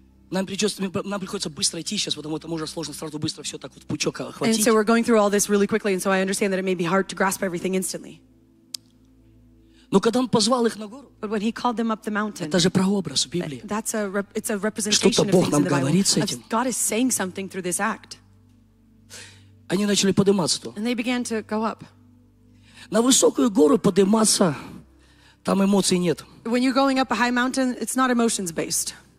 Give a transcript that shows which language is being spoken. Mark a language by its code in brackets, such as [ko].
[ru] Нам приходится быстро идти сейчас, потому что уже сложно сразу быстро все так вот пучок охватить. [en] And so we're going through all this really quickly, and so I understand that it may be hard to grasp everything instantly. [ru] Но когда он позвал их на гору, [en] but when he called them up the mountain, [ru] это же прообраз в Библии. [en] That's a it's a representation [ru] что-то [en] of [ru] Бог [en] things in the Bible. [ru] Говорит с этим. [en] God is saying something through this act. [ru] Они начали подниматься. [en] And they began to go up. [ru] На высокую гору подниматься. Там эмоций нет. [en] When you're going up a high mountain, it's not emotions based.